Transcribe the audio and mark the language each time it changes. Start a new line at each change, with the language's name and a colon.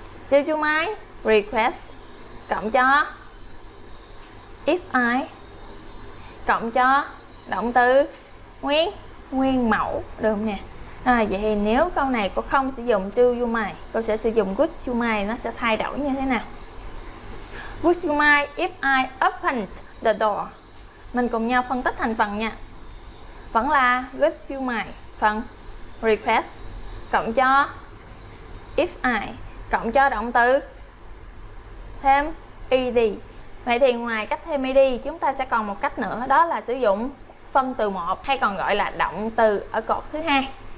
Vietnamese: Do you mind request cộng cho if I cộng cho động từ nguyên mẫu được không nè. Rồi, vậy thì nếu câu này cô không sử dụng do you mind, cô sẽ sử dụng would you mind, nó sẽ thay đổi như thế nào.
English: Would you mind if I opened the door?
Vietnamese: Mình cùng nhau phân tích thành phần nha. Vẫn là would you mind, phần request cộng cho if I cộng cho động từ thêm ed. Vậy thì ngoài cách thêm ed, chúng ta sẽ còn một cách nữa, đó là sử dụng phân từ một, hay còn gọi là động từ ở cột thứ hai.